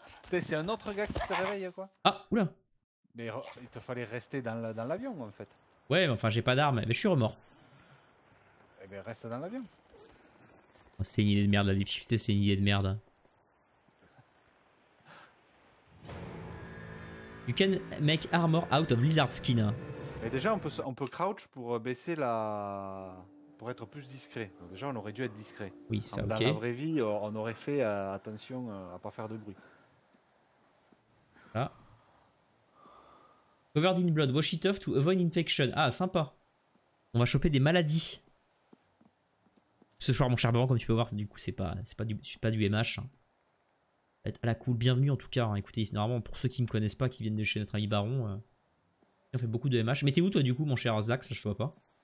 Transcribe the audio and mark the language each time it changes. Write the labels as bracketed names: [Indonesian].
[French] C'est un autre gars qui se réveille, quoi. Ah, oula. Mais il te fallait rester dans l'avion, en fait. Ouais, mais enfin, j'ai pas d'armes, mais je suis remords. Eh ben, reste dans l'avion. Oh, c'est une idée de merde, la difficulté, c'est une idée de merde. [English] You can make armor out of lizard skin. [French] Mais déjà, on peut crouch pour baisser la... Pour être plus discret. Donc déjà, on aurait dû être discret. Oui, c'est dans ok. Dans la vraie vie, on aurait fait attention à pas faire de bruit. Voilà. [English] Covered in blood, wash it off to avoid infection. [French] Ah, sympa. On va choper des maladies. Ce soir, mon cher Baron, comme tu peux voir, du coup, c'est pas du MH. À la cool, bienvenue en tout cas. Hein. Écoutez, normalement, pour ceux qui me connaissent pas, qui viennent de chez notre ami Baron, on fait beaucoup de MH. Mettez-vous, toi, du coup, mon cher Zax, là, je te vois pas.